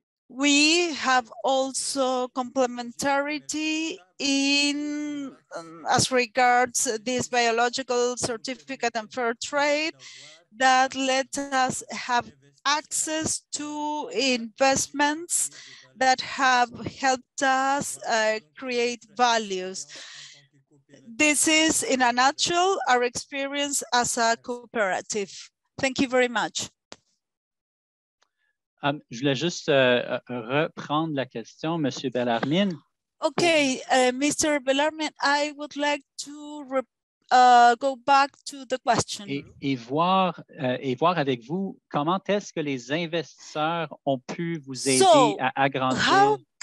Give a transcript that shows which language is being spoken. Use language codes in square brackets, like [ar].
[en] We have also complementarity in as regards this biological certificate and fair trade that let us have access to investments that have helped us create values. This is, in a nutshell, our experience as a cooperative. Thank you very much. [fr] Je voulais juste reprendre la question, Monsieur Bellarmine. [en] Okay, Mr. Bellarmine, I would like to go back to the question. [fr] Et voir avec vous comment est-ce que les investisseurs ont pu vous aider à agrandir